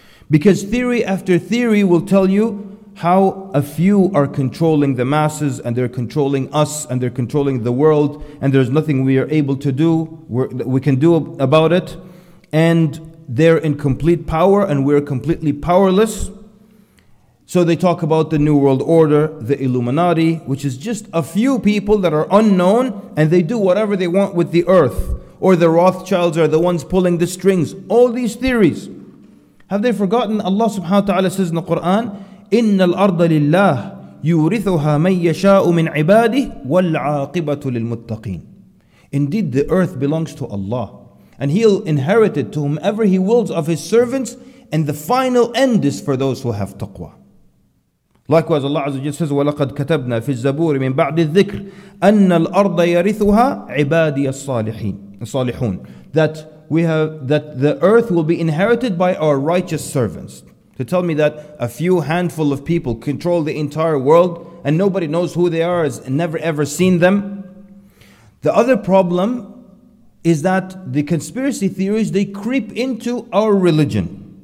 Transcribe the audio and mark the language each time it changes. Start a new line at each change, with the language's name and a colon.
English: Because theory after theory will tell you how a few are controlling the masses, and they're controlling us, and they're controlling the world, and there's nothing we are able to do, we can do about it, and they're in complete power, and we're completely powerless. So they talk about the New World Order, the Illuminati, which is just a few people that are unknown, and they do whatever they want with the earth, or the Rothschilds are the ones pulling the strings. All these theories. Have they forgotten? Allah subhanahu wa ta'ala says in the Quran,
Arabic: إِنَّ الْأَرْضَ لِلَّهِ يُورِثُهَا مَنْ يَشَاءُ مِنْ عِبَادِهِ وَالْعَاقِبَةُ لِلْمُتَّقِينَ.
English: Indeed, the earth belongs to Allah, and He'll inherit it to whomever He wills of His servants, and the final end is for those who have taqwa. Likewise, Allah Azza wa Jalla says,
Arabic: وَلَقَدْ كَتَبْنَا فِي الزَّبُورِ مِنْ بَعْدِ الذِّكْرِ أَنَّ الْأَرْضَ يَرِثُهَا عِبَادِيَ الصَّالِحُونَ.
English: That the earth will be inherited by our righteous servants. To tell me that a few handful of people control the entire world and nobody knows who they are, has never ever seen them. The other problem is that the conspiracy theories, they creep into our religion.